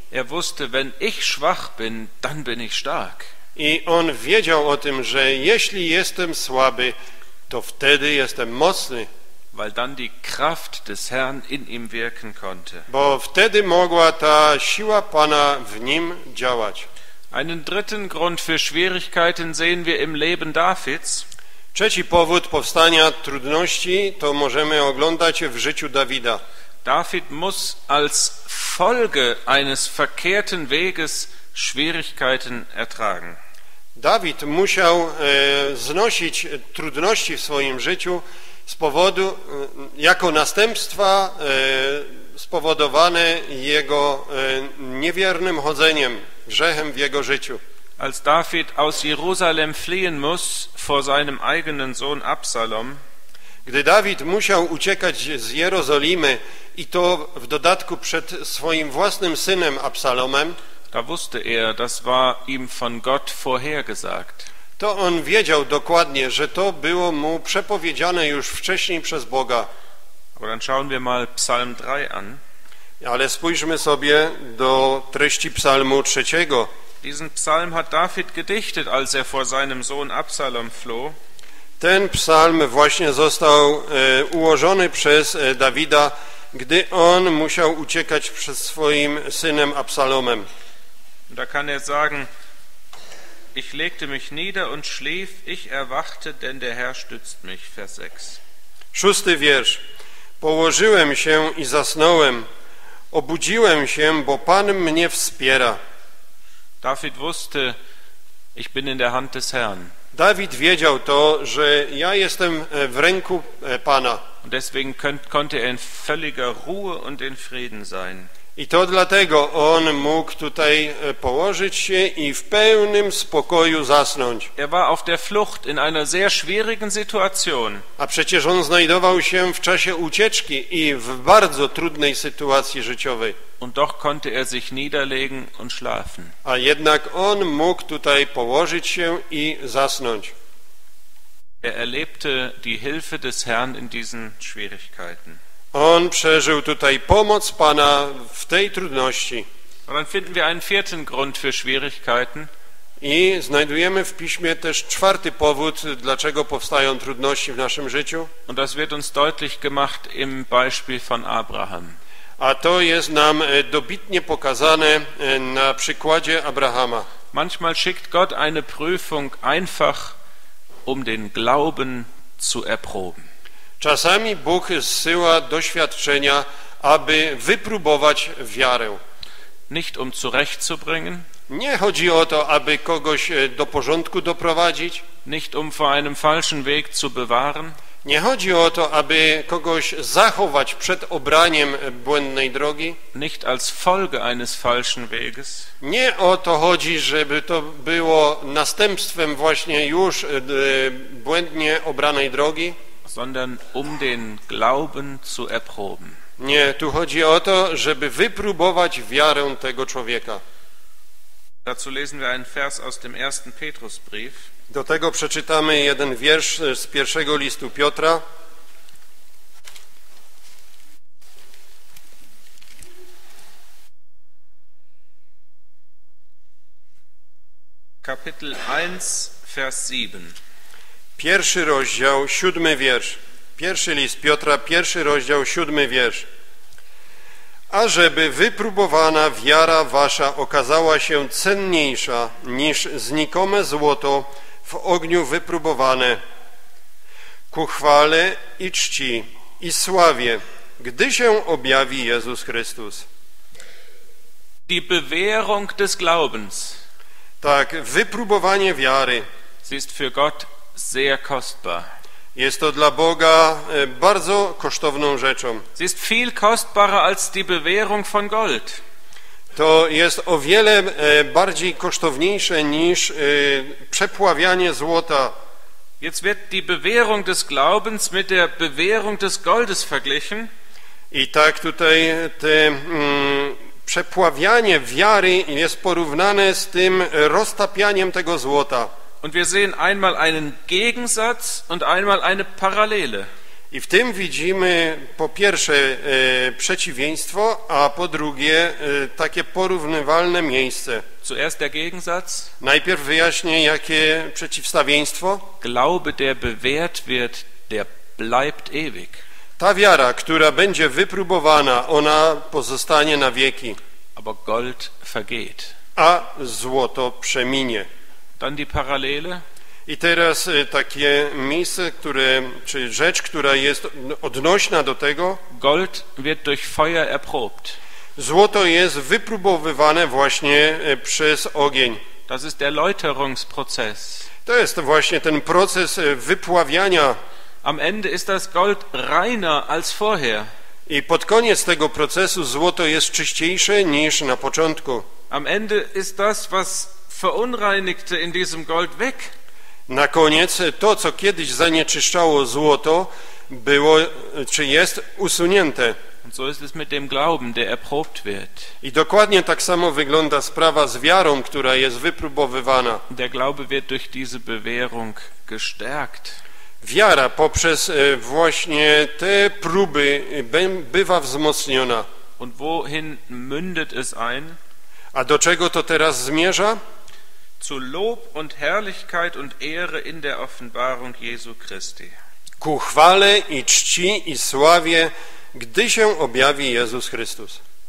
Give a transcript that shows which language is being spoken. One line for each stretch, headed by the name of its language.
German: Er wusste, wenn ich schwach bin, dann bin ich stark.
Polish: I on wiedział o tym, że jeśli jestem słaby, to wtedy jestem mocny.
German: Weil dann die Kraft des Herrn in ihm wirken konnte.
Polish: Bo wtedy mogła ta siła Pana w nim działać.
German: Einen dritten Grund für Schwierigkeiten sehen wir im Leben Davids.
Polish: Trzeci powód powstania trudności to możemy oglądać w życiu Dawida.
German: David muss als Folge eines verkehrten Weges Schwierigkeiten ertragen.
Polish: Dawid musiał znosić trudności w swoim życiu z powodu, jako następstwa spowodowane jego niewiernym chodzeniem, grzechem w jego życiu.
German: Als David aus Jerusalem fliehen muss vor seinem eigenen Sohn Absalom.
Polish: Gdy Dawid musiał uciekać z Jerozolimy i to w dodatku przed swoim własnym synem Absalomem,
German: da wusste er, das war ihm von Gott vorhergesagt.
Polish: To on wiedział dokładnie, że to było mu przepowiedziane już wcześniej przez Boga.
German: Aber dann schauen wir mal Psalm 3 an.
Polish: Ale spójrzmy sobie do treści Psalmu 3.
German: Diesen Psalm hat David gedichtet, als er vor seinem Sohn Absalom floh.
Polish: Ten Psalm właśnie został ułożony przez Dawida, gdy on musiał uciekać przed swoim synem Absalomem.
German: Da kann er sagen: Ich legte mich nieder und schlief, ich erwachte, denn der Herr stützt mich. Vers 6.
Polish: Szósty wiersz. Położyłem się i zasnąłem. Obudziłem się, bo Pan mnie wspiera.
German: David wusste, ich bin in der Hand des Herrn.
Polish: David wiedział to, że ja jestem w ręku Pana.
German: Und deswegen konnte er in völliger Ruhe und in Frieden sein.
Polish: I to dlatego on mógł tutaj położyć się i w pełnym spokoju zasnąć.
German: Er war auf der Flucht in einer sehr schwierigen Situation.
Polish: A przecież on znajdował się w czasie ucieczki i w bardzo trudnej sytuacji życiowej.
German: Und doch konnte er sich niederlegen und schlafen.
Polish: A jednak on mógł tutaj położyć się i zasnąć.
German: Er erlebte die Hilfe des Herrn in diesen Schwierigkeiten.
Polish: On przeżył tutaj pomoc Pana w tej trudności.
German: Und dann finden wir einen vierten Grund für Schwierigkeiten.
Polish: I znajdujemy w Piśmie też czwarty powód, dlaczego powstają trudności w naszym życiu.
German: Und das wird uns deutlich gemacht im Beispiel von Abraham.
Polish: A to jest nam dobitnie pokazane na przykładzie Abrahama.
German: Manchmal schickt Gott eine Prüfung einfach, um den Glauben zu erproben.
Polish: Czasami Bóg zsyła doświadczenia, aby wypróbować wiarę.
German: Nicht um zurechtzubringen.
Polish: Nie chodzi o to, aby kogoś do porządku doprowadzić.
German: Nicht um vor einem falschen Weg zu bewahren.
Polish: Nie chodzi o to, aby kogoś zachować przed obraniem błędnej drogi.
German: Nicht als Folge eines falschen Weges.
Polish: Nie o to chodzi, żeby to było następstwem właśnie już błędnie obranej drogi.
German: Sondern um den Glauben zu erproben.
Polish: Nie, tu chodzi o to, żeby wypróbować wiarę tego człowieka.
German: Dazu lesen wir einen Vers aus dem ersten Petrusbrief.
Polish: Do tego przeczytamy jeden wiersz z pierwszego listu Piotra.
German: Kapitel 1, Vers 7.
Polish: Pierwszy rozdział, siódmy wiersz. Pierwszy list Piotra, pierwszy rozdział, siódmy wiersz. ażeby wypróbowana wiara wasza okazała się cenniejsza niż znikome złoto w ogniu wypróbowane, ku chwale i czci i sławie, gdy się objawi Jezus Chrystus.
German: Die Bewährung des Glaubens.
Polish: Tak, wypróbowanie wiary.
German: Sie ist für Gott sehr kostbar.
Polish: Jest to dla Boga bardzo kosztowną rzeczą.
German: Sie ist viel kostbarer als die Bewährung von Gold.
Polish: To jest o wiele bardziej kosztowniejsze niż przepławianie złota.
German: Jetzt wird die Bewährung des Glaubens mit der Bewährung des Goldes verglichen.
Polish: I tak tutaj te przepławianie wiary jest porównane z tym roztapianiem tego złota.
German: Und wir sehen einmal einen Gegensatz und einmal eine Parallele.
Polish: I w tym widzimy po pierwsze przeciwieństwo, a po drugie takie porównywalne miejsce.
German: Zuerst der Gegensatz.
Polish: Najpierw wyjaśnię, jakie przeciwstawieństwo.
German: Glaube, der bewährt wird, der bleibt ewig.
Polish: Ta wiara, która będzie wypróbowana, ona pozostanie na wieki.
German: Aber Gold vergeht.
Polish: A złoto przeminie.
German: Dann die Parallele.
Polish: I teraz takie miejsce, które, czy rzecz, która jest odnośna do tego.
German: Gold wird durch Feuer erprobt.
Polish: Złoto jest wypróbowywane właśnie przez ogień.
German: Das ist der Läuterungsprozess.
Polish: To jest właśnie ten proces wypławiania.
German: Am Ende ist das Gold reiner als vorher.
Polish: I pod koniec tego procesu złoto jest czyściejsze niż na początku.
German: Am Ende ist das, was verunreinigte in diesem Gold weg.
Polish: Na koniec to, co kiedyś zanieczyszczało złoto, było, czy jest usunięte.
German: Und so ist es mit dem Glauben, der erprobt wird.
Polish: I dokładnie tak samo wygląda sprawa z wiarą, która jest wypróbowywana.
German: Der Glaube wird durch diese Bewährung gestärkt.
Polish: Wiara poprzez właśnie te próby bywa wzmocniona.
German: Und wohin mündet es ein?
Polish: A do czego to teraz zmierza?
German: Zu Lob und Herrlichkeit und Ehre in der Offenbarung Jesu Christi.
Polish: Ku chwale i czci i sławie, gdy się objawi Jezus Chrystus.